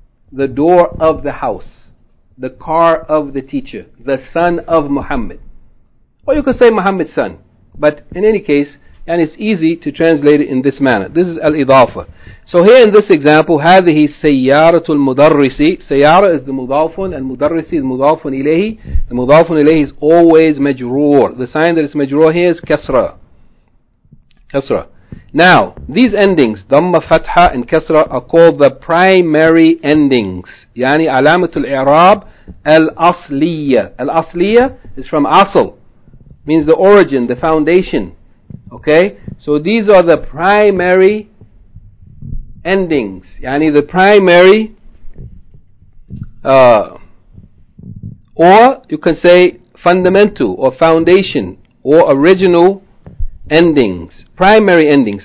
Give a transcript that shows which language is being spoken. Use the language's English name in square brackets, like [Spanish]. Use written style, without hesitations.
[English] The door of the house. The car of the teacher. The son of Muhammad. Or you could say Muhammad's son. But in any case, and it's easy to translate it in this manner. This is al-idafa. So here in this example, [Arabic] هذه سيارة المدرس. [English] سيارة is the مضافن, and مدرس is مضافن إليه. The مضافن إليه is always مجرور. The sign that it's مجرور here is كسرة. [Arabic] كسرة. [English] Now, these endings, ضم فتحة and كسرة, are called the primary endings. [Arabic] يعني علامة الإعراب الأصلية. [English] الأصلية is from أصل. Means the origin, the foundation. Okay? So these are the primary endings, yani the primary, or you can say fundamental or foundation or original endings. Primary endings.